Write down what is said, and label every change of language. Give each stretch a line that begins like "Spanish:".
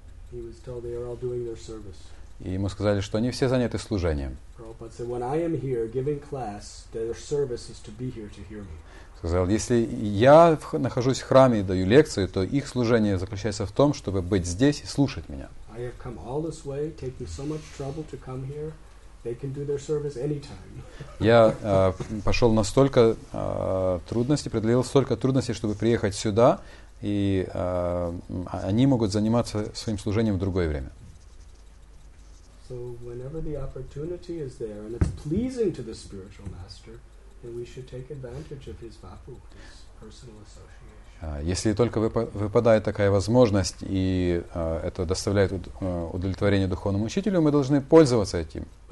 English: He was told they are all doing their service.
Russian: И ему сказали, что они все заняты служением.
English: Prabhupada said, when I am here giving class, their service is to be here to hear me.
Russian: Сказал, если я нахожусь в храме и даю лекцию, то их служение заключается в том, чтобы быть здесь и слушать меня.
English: I have come all this way, taking so much trouble to come here. They can do their service anytime.
Russian: Я пошел на столько трудностей, преодолел столько трудностей, чтобы приехать сюда, и они могут заниматься своим служением в другое время.
English: So whenever the opportunity is there and it's pleasing to the spiritual master, then we should take advantage of his vapu, his personal association.
Russian: Если только выпадает такая возможность, и это доставляет удовлетворение духовному учителю, мы должны пользоваться этим.